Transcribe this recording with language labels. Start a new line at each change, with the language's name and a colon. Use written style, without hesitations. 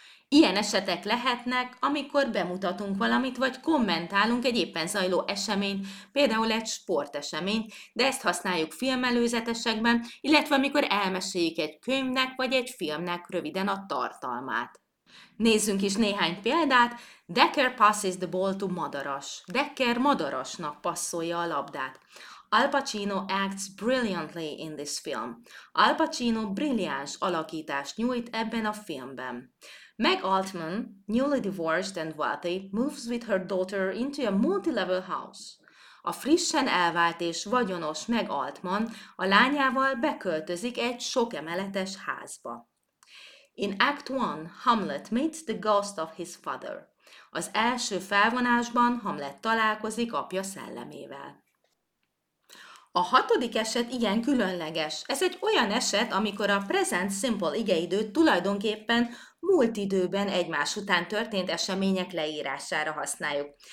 Hungarian: Ilyen esetek lehetnek, amikor bemutatunk valamit, vagy kommentálunk egy éppen zajló eseményt, például egy sporteseményt, de ezt használjuk filmelőzetesekben, illetve amikor elmeséljük egy könyvnek vagy egy filmnek röviden a tartalmát. Nézzünk is néhány példát.
English: Decker passes the ball to Madaras.
Hungarian: Decker madarasnak passzolja a labdát.
English: Al Pacino acts brilliantly in this film.
Hungarian: Al Pacino brilliáns alakítást nyújt ebben a filmben.
English: Meg Altman, newly divorced and wealthy, moves with her daughter into a multi-level house.
Hungarian: A frissen elvált és vagyonos Meg Altman a lányával beköltözik egy sok emeletes házba.
English: In Act 1, Hamlet meets the ghost of his father.
Hungarian: Az első felvonásban Hamlet találkozik apja szellemével. A hatodik eset igen különleges. Ez egy olyan eset, amikor a present simple igeidőt tulajdonképpen múlt időben egymás után történt események leírására használjuk.